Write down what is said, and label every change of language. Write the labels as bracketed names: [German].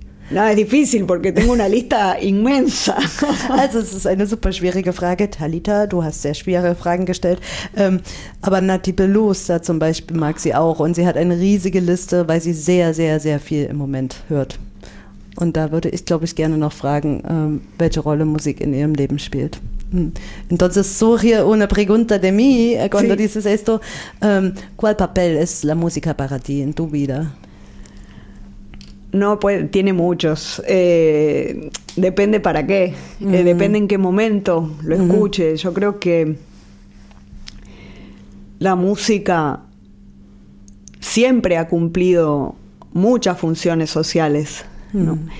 [Spanish] Na, es difícil, porque tengo una lista inmensa. [German] Also es ist eine super schwierige Frage, Talita, du hast sehr schwere Fragen gestellt. Aber Nati Peluso zum Beispiel mag sie auch und sie hat eine riesige Liste, weil sie sehr, sehr, sehr viel im Moment hört. Und da würde ich, glaube ich, gerne noch fragen, welche Rolle Musik in ihrem Leben spielt. [Spanish] Entonces surge una pregunta de mí cuando dices esto. ¿Cuál papel es la música para ti en tu vida? No, pues tiene muchos. Depende para qué. Depende en qué momento lo escuche. Yo creo que la música siempre ha cumplido muchas funciones sociales, ¿no?